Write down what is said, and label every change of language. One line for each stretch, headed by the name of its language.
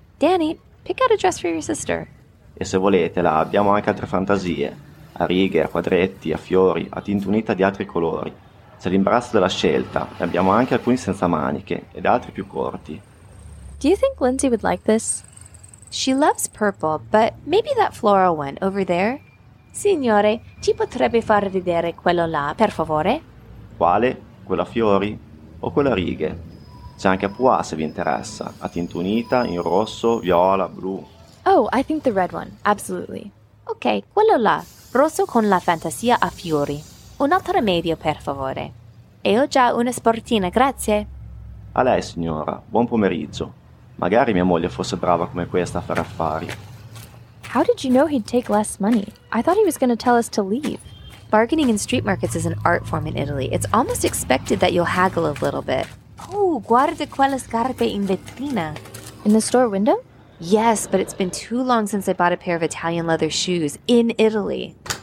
English: Danny, pick out a dress for your sister.
Italian: E se volete, là, abbiamo anche altre fantasie. A righe, a quadretti, a fiori, a tinta unita di altri colori. C'è l'imbarazzo della scelta. Ne abbiamo anche alcuni senza maniche ed altri più corti.
English: Do you think Lindsay would like this? She loves purple, but maybe that floral one over there?
Italian: Signore, ci potrebbe far vedere quello là, per favore? Quale? Quello a fiori? O quello a righe? C'è anche a pois, se vi interessa. A tinta unita, in rosso, viola, blu.
English: Oh, I think the red one, absolutely.
Italian: Ok, quello là, rosso con la fantasia a fiori. Un'altra medio, per favore. E ho già una sportina, grazie. A lei, signora. Buon pomeriggio. Magari mia moglie fosse brava come questa a fare affari.
English: How did you know he'd take less money? I thought he was going to tell us to leave. Bargaining in street markets is an art form in Italy. It's almost expected that you'll haggle a little bit.
Italian: Oh, guarda quelle scarpe in vetrina.
English: In the store window? Yes, but it's been too long since I bought a pair of Italian leather shoes in Italy.